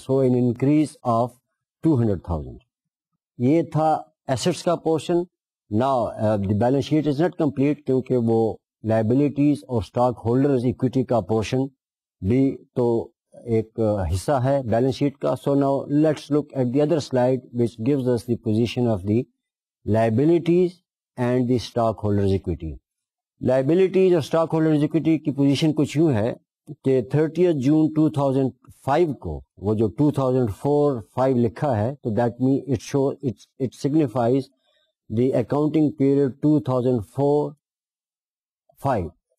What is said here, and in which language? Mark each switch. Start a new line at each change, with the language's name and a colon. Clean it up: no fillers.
English: So an increase of 200,000.
Urdu: یہ تھا assets کا portion.
English: now the balance sheet is not complete
Urdu: کیونکہ وہ لائبلٹیز اور اسٹاک ہولڈرز اکویٹی کا پورشن بھی تو ایک حصہ ہے بیلنس شیٹ کا.
English: So now let's look at the other slide which gives us the position of the liabilities and the stockholders equity.
Urdu: Liabilities اور اسٹاک ہولڈرز اکویٹی کی position کچھ یوں ہے کہ 30 June 2005 کو وہ جو 2004-05 لکھا ہے تو
English: That mean it show it signifies the accounting period 2004-05.